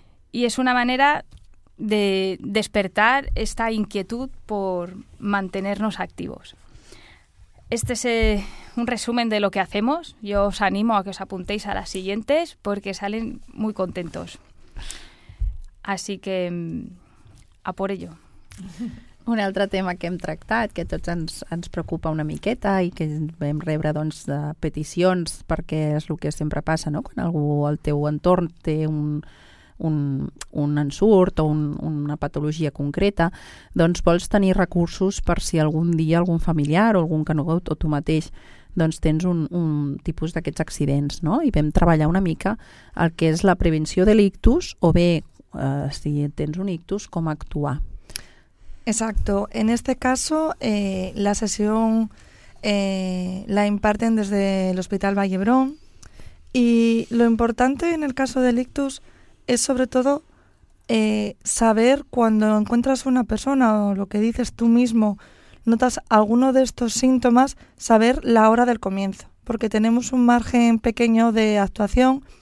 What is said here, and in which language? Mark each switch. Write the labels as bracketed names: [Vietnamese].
[Spanish] Y es una manera de despertar esta inquietud por mantenernos activos. Este es un resumen de lo que hacemos. Yo os animo a que os apuntéis a las siguientes porque salen muy contentos. Así que a por ello. [Catalan] Un altre tema que hem tractat, que tots ens preocupa una miqueta i que vam rebre doncs, peticions, perquè és el que sempre passa, no? Quan algú al teu entorn té un ensurt o una patologia concreta, doncs vols tenir recursos per si algun dia algun familiar o algun conegut o tu mateix doncs tens un tipus d'aquests accidents, no? I vam treballar una mica el que és la prevenció de l'ictus o bé, si tens un ictus, com actuar. [Spanish] Exacto. En este caso, la sesión la imparten desde el Hospital Vall d'Hebron, y lo importante en el caso del ictus es sobre todo saber cuando encuentras una persona o lo que dices tú mismo, notas alguno de estos síntomas, saber la hora del comienzo, porque tenemos un margen pequeño de actuación.